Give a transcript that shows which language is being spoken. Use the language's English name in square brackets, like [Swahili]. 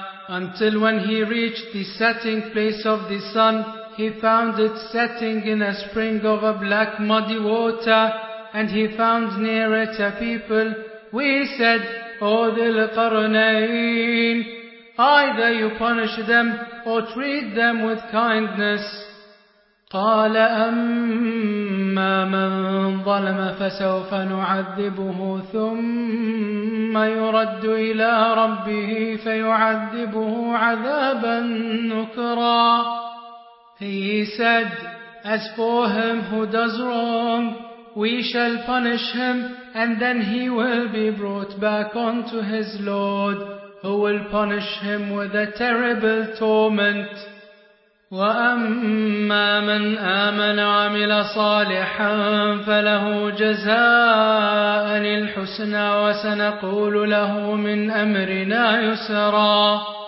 [English] Until when he reached the setting place of the sun, he found it setting in a spring of a black muddy water, and he found near it a people. We said, O ذي القرنين, either you punish them or treat them with kindness. [Arabic] قال أما من ظلم فسوف نعذبه ثم يرد إلى ربه فيعذبه عذابا نكرا. [English] He said, as for him who does wrong, we shall punish him and then he will be brought back unto his Lord, who will punish him with a terrible torment. [Arabic] وَأَمَّا مَنْ آمَنَ وَعَمِلَ صَالِحًا فَلَهُ جَزَاءً الْحُسْنَى وَسَنَقُولُ لَهُ مِنْ أَمْرِنَا يُسْرًا.